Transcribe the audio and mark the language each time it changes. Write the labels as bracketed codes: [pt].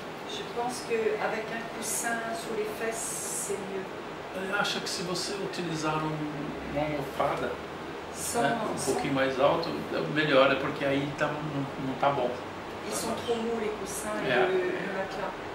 [fr] Je pense que avec un coussin sous les fesses, c'est mieux. [pt] Acha que se você utilizar uma almofada pouquinho mais alto, melhor, é porque aí tá, não está bom. [fr] Ils sont trop mous, les coussins, le matelas.